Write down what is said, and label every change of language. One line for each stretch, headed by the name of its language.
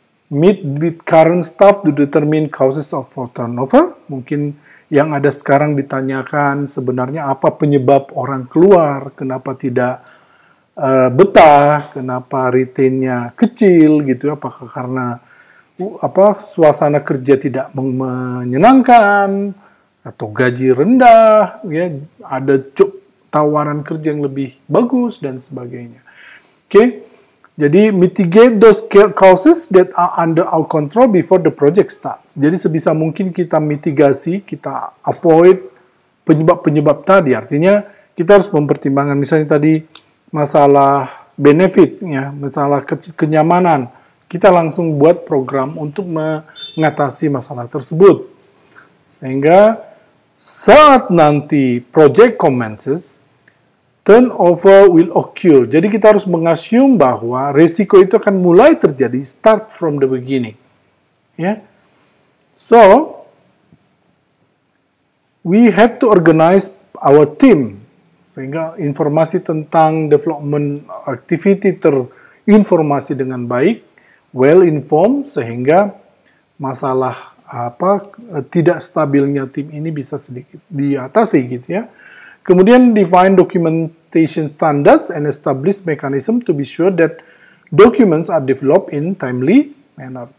English: Meet with current staff to determine causes of turnover.
Indonesian: Mungkin yang ada sekarang ditanyakan sebenarnya apa penyebab orang keluar, kenapa tidak betah, kenapa retainnya kecil gitu, apakah karena suasana kerja tidak menyenangkan atau gaji rendah ya, ada job tawaran kerja yang lebih bagus dan sebagainya. Oke. Jadi
English: mitigate those causes that are under our control before the project starts.
Indonesian: Jadi sebisa mungkin kita mitigasi, kita avoid penyebab-penyebab tadi. Artinya kita harus mempertimbangkan misalnya tadi masalah benefit, ya, masalah kenyamanan. Kita langsung buat program untuk mengatasi masalah tersebut. Sehingga saat nanti
English: project commences, turnover will occur.
Indonesian: Jadi kita harus mengasum bahwa risiko itu akan mulai terjadi
English: start from the beginning.
Indonesian: Ya.
English: So, we have to organize our team.
Indonesian: Sehingga informasi tentang development activity terinformasi dengan baik,
English: well informed,
Indonesian: sehingga masalah tidak stabilnya tim ini bisa sedikit diatasi gitu ya. Kemudian
English: define documentation standards and establish mechanism to be sure that documents are developed in timely manner.